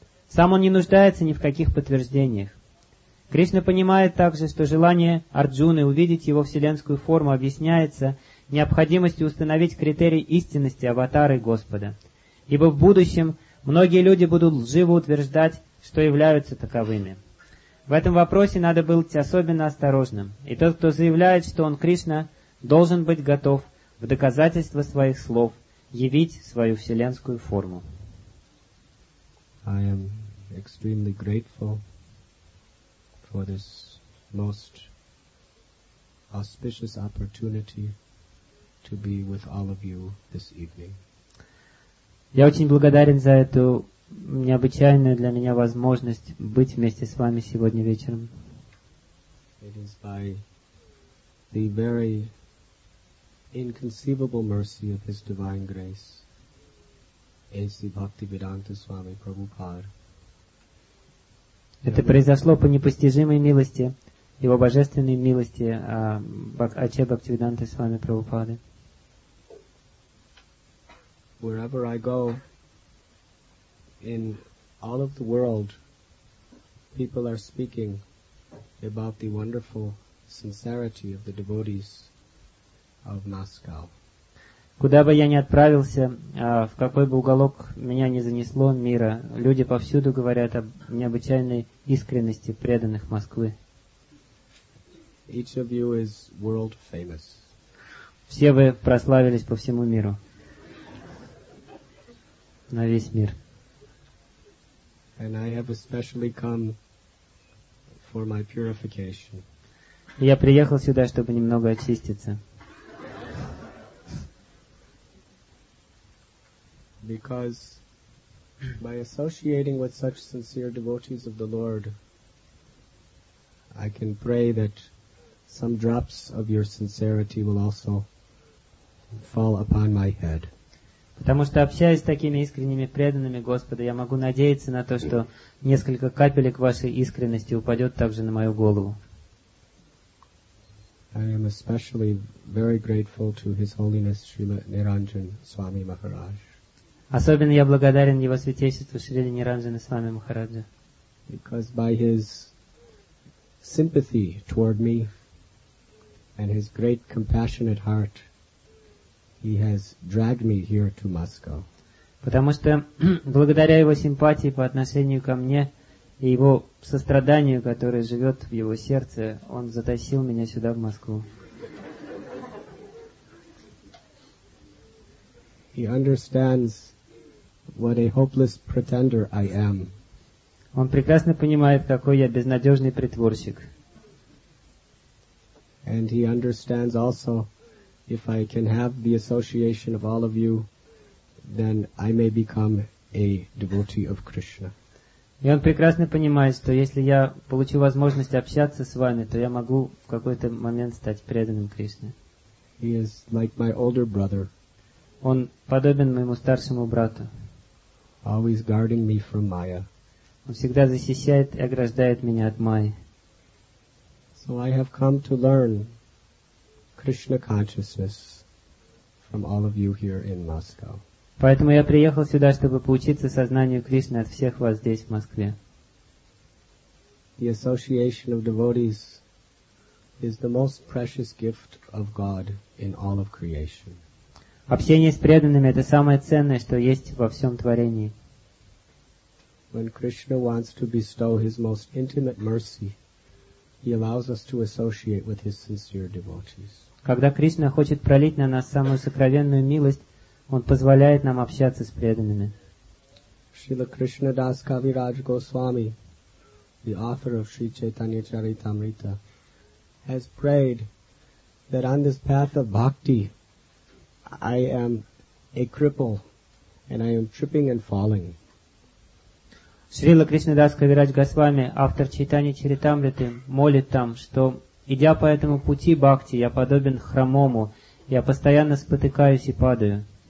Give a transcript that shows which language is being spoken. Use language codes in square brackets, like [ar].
[ru] Сам он не нуждается ни в каких подтверждениях. Кришна понимает также, что желание Арджуны увидеть его вселенскую форму объясняется необходимостью установить критерий истинности аватары Господа, ибо в будущем многие люди будут лживо утверждать, что являются таковыми. В этом вопросе надо быть особенно осторожным, и тот, кто заявляет, что он Кришна, должен быть готов в доказательство своих слов явить свою вселенскую форму. [en] I am extremely grateful for this most auspicious opportunity to be with all of you this evening. [ru] Я очень благодарен за эту необычайную для меня возможность быть вместе с вами сегодня вечером. [en] It is by the very inconceivable mercy of His Divine Grace, A.C. Bhaktivedanta Swami Prabhupada. [ru] Это произошло по непостижимой милости, Его божественной милости, Ача Бхактивиданты Свами Прабхупады. [en] Wherever I go in all of the world, people are speaking about the wonderful sincerity of the devotees of Moscow. [ru] Куда бы я ни отправился, в какой бы уголок меня ни занесло мира, люди повсюду говорят об необычайной искренности преданных Москвы. [en] Each of you is world famous. [ru] Все вы прославились по всему миру. На весь мир. [en] And I have especially come for my purification. [ru] Я приехал сюда, чтобы немного очиститься. [en] Because by associating with such sincere devotees of the Lord, I can pray that some drops of your sincerity will also fall upon my head. [ru] Потому что, общаясь с такими искренними преданными Господа, я могу надеяться на то, что несколько капелек вашей искренности упадет также на мою голову. [en] I am especially very grateful to His Holiness Srila Niranjan Swami Maharaj. [ru] Особенно я благодарен Его Святейшеству Шрили Ниранджана Свами Махараджа. [en] Because by His sympathy toward me and His great compassionate heart, He has dragged me here to Moscow. [ru] Потому что благодаря Его симпатии по отношению ко мне, И его сострадание, которое живет в его сердце, он затащил меня сюда, в Москву. [en] He understands what a hopeless pretender I am. [ru] Он прекрасно понимает, какой я безнадежный притворщик. [en] And he understands also, if I can have the association of all of you, then I may become a devotee of Krishna. [ru] И он прекрасно понимает, что если я получу возможность общаться с вами, то я могу в какой-то момент стать преданным Кришне. [en] He is like my older brother. [ru] Он подобен моему старшему брату. [en] Always guarding me from Maya. [ru] Он всегда защищает и ограждает меня от Майи. [en] So I have come to learn Krishna consciousness from all of you here in Moscow. [ru] Поэтому я приехал сюда, чтобы поучиться сознанию Кришны от всех вас здесь, в Москве. [en] The association of devotees is the most precious gift of God in all of creation. [ru] Общение с преданными — это самое ценное, что есть во всем творении. [en] When Krishna wants to bestow his most intimate mercy, he allows us to associate with his sincere devotees. [ru] Когда Кришна хочет пролить на нас самую сокровенную милость, Он позволяет нам общаться с преданными. [en] Шрила Кришна Дас Кавирадж Госвами, the author of Sri Chaitanya Charitamrita, has prayed that on this path of bhakti, I am a cripple and I am tripping and falling. [ru] Шрила Кришна Дас Кавирадж Госвами, автор Чайтани Чаритамриты, молит там, что идя по этому пути бхакти, я подобен хромому, я постоянно спотыкаюсь и падаю.